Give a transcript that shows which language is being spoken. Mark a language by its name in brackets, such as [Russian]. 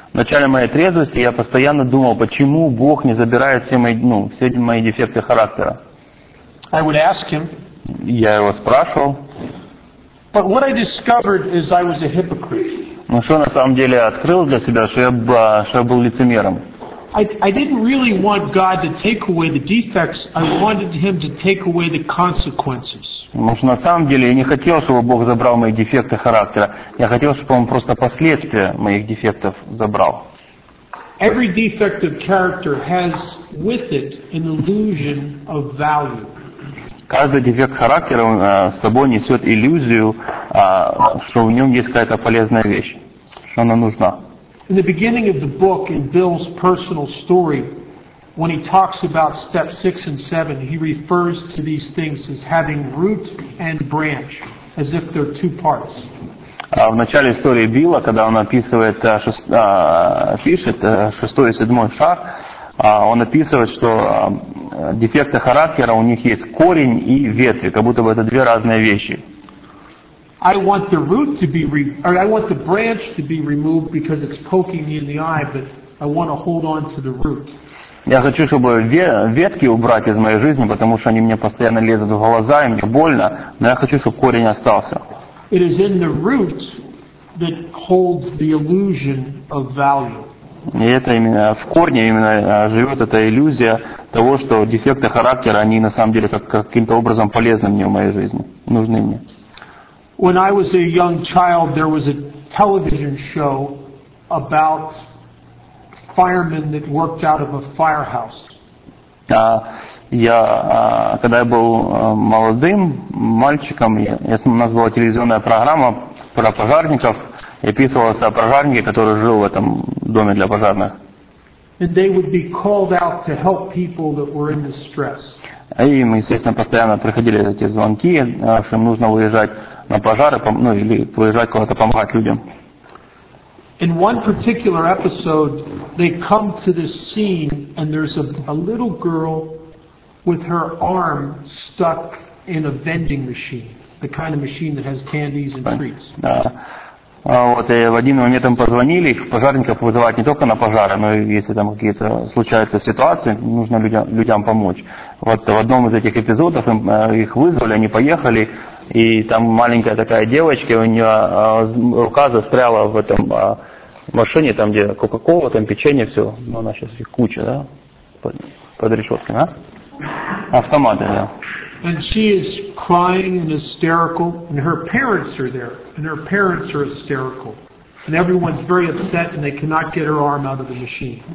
[Russian] В начале моей трезвости я постоянно думал, почему Бог не забирает все мои дефекты характера. [English] I would ask him. [Russian] Я его спрашивал. [English] But what I discovered is I was a hypocrite. [Russian] Ну что на самом деле я открыл для себя, что я был лицемером. [English] I didn't really want God to take away the defects. I wanted him to take away the consequences. [Russian] Ну что на самом деле я не хотел, чтобы Бог забрал мои дефекты характера. Я хотел, чтобы он просто последствия моих дефектов забрал. [English] Every defect of character has with it an illusion of value. [Russian] Каждый дефект характера с собой несет иллюзию, что в нем есть какая-то полезная вещь, что она нужна. [English] In the beginning of the book, in Bill's personal story, when he talks about step 6 and 7, he refers to these things as having root and branch, as if they're two parts. [Russian] В начале истории Билла, когда он описывает, пишет шестой и седьмой шаг, он описывает, что дефекты характера у них есть корень и ветви, как будто бы это две разные вещи. [English] I want the branch to be removed because it's poking me in the eye, but I want to hold on to the root. [Russian] Я хочу, чтобы ветки убрать из моей жизни, потому что они мне постоянно лезут в глаза и мне больно, но я хочу, чтобы корень остался. [English] It is in the root that holds the illusion of value. [Russian] И это именно в корне именно живет эта иллюзия того, что дефекты характера, они на самом деле как каким-то образом полезны мне в моей жизни, нужны мне. [English] When I was a young child, there was a television show about firemen that worked out of a firehouse. [Russian] Когда я был молодым мальчиком, у нас была телевизионная программа про пожарников, и описывался о пожарнике, который жил в этом доме для пожарных. [English] And they would be called out to help people that were in distress. [Russian] И им, естественно, постоянно приходили эти звонки, что им нужно выезжать на пожары, ну или выезжать куда-то помогать людям. [English] In one particular episode, they come to this scene, and there's a little girl with her arm stuck in a vending machine, the kind of machine that has candies and treats. [Russian] Вот, и в один момент им позвонили, их пожарников вызывают не только на пожары, но и если там какие-то случаются ситуации, нужно людям помочь. Вот в одном из этих эпизодов их вызвали, они поехали, и там маленькая такая девочка, у нее рука застряла в этом машине, там где Кока-Кола, там печенье, все. Но она сейчас их куча, да, под решеткой, да? Автоматы, да. [English] And she is crying and hysterical, and her parents are there, and her parents are hysterical, and everyone's very upset, and they cannot get her arm out of the machine.